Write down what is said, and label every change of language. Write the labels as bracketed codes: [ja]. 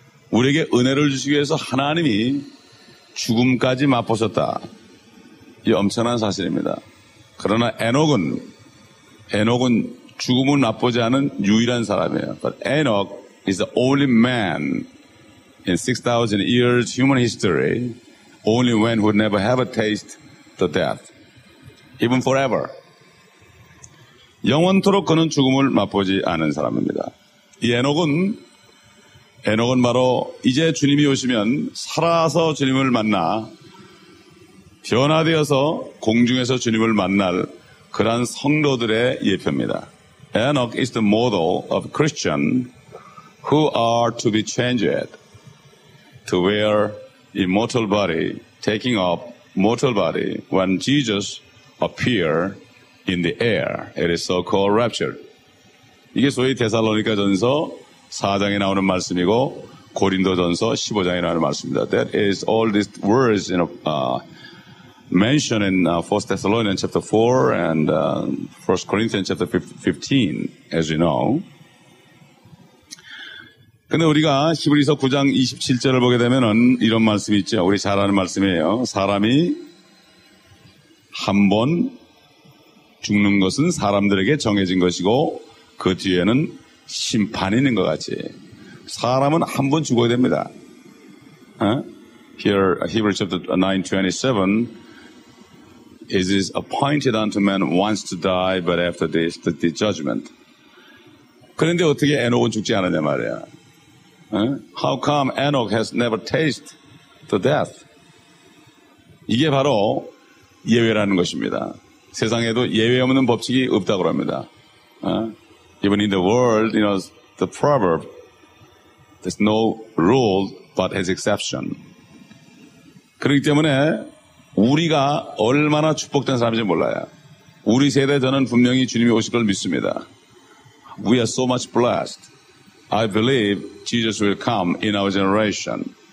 [ko] 우리에게 은혜를 주시기 위해서 하나님이 죽음까지 맛보셨다. 이 엄청난 사실입니다. 그러나 에녹은 죽음을 맛보지 않은 유일한 사람이에요. [en] But Enoch is the only man in 6,000 years human history, only man who never have a taste the death, even forever. [ko] 영원토록 그는 죽음을 맛보지 않은 사람입니다. 이 에녹은 바로 이제 주님이 오시면 살아서 주님을 만나 변화되어서 공중에서 주님을 만날 그러한 성도들의 예표입니다. [en] Enoch is the model of Christian who are to be changed to wear immortal body, taking up mortal body when Jesus appear in the air. It is so called rapture. [ko] 이게 소위 데살로니가 전서 4장에 나오는 말씀이고 고린도전서 15장에 나오는 말씀입니다. [en] That is all these words in mentioned in 1 Thessalonians chapter 4 and 1 Corinthians chapter 15 as you know. [ko] 근데 우리가 히브리서 9장 27절을 보게 되면은 이런 말씀이 있죠. 우리 잘 아는 말씀이에요. 사람이 한 번 죽는 것은 사람들에게 정해진 것이고 그 뒤에는 심판이 있는 것 같이 사람은 한 번 죽어야 됩니다. [en] Here Hebrews chapter 9:27 It is appointed unto man once to die, but after this, the judgment. [ko] 그런데 어떻게 에녹은 죽지 않았냐 말이야. [en] How come Enoch has never tasted the death? [ko] 이게 바로 예외라는 것입니다. 세상에도 예외 없는 법칙이 없다고 합니다. [en] Even in the world, you know, the proverb, there's no rule but has exception. [ko] 그렇기 때문에 우리가 얼마나 축복된 사람인지 몰라요. 우리 세대 저는 분명히 주님이 오실 걸 믿습니다. [en] We are so much blessed. I believe Jesus will come in our generation.